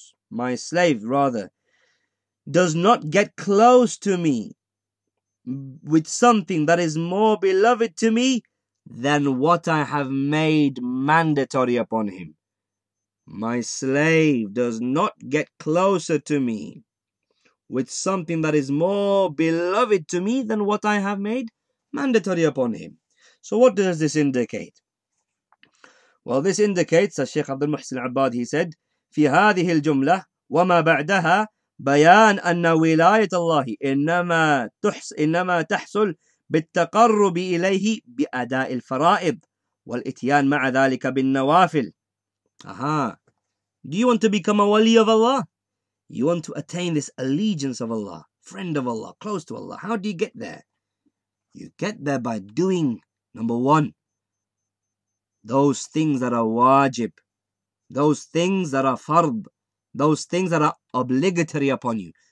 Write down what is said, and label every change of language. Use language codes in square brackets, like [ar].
[en] My slave does not get close to me with something that is more beloved to me than what I have made mandatory upon him. My slave does not get closer to me with something that is more beloved to me than what I have made mandatory upon him. So what does this indicate? Well, this indicates, as Sheikh Abdul Muhsin Abad, he said, [ar] في هذه الجملة وما بعدها بيان أن ولاية الله إنما تحصل بالتقرب إليه بأداء الفرائض والإتيان مع ذلك بالنوافل. Aha. [en] Do you want to become a wali of Allah? You want to attain this allegiance of Allah, friend of Allah, close to Allah. How do you get there? You get there by doing, number one, those things that are wajib, those things that are fard, those things that are obligatory upon you.